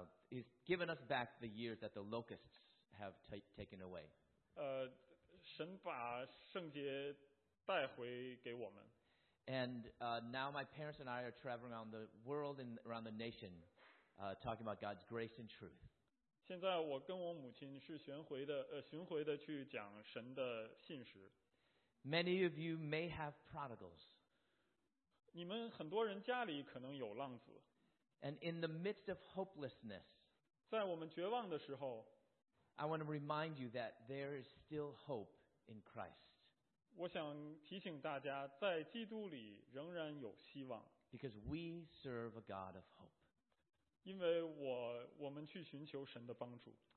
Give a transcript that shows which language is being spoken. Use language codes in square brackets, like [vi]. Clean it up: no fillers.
[en] is given us back the years that the locusts. Have taken away. [zh] 神把圣洁带回给我们。 [en] And now my parents and I are traveling around the world and around the nation, talking about God's grace and truth. [zh] 现在我跟我母亲是巡回的去讲神的信实。 [en] Many of you may have prodigals. [zh] 你们很多人家里可能有浪子。 [en] And in the midst of hopelessness, [zh] 在我们绝望的时候。 [en] I want to remind you that there is still hope in Christ. [zh] 我想提醒大家，在基督里仍然有希望。 [en] Because we serve a God of hope. [zh] 因为我们去寻求神的帮助。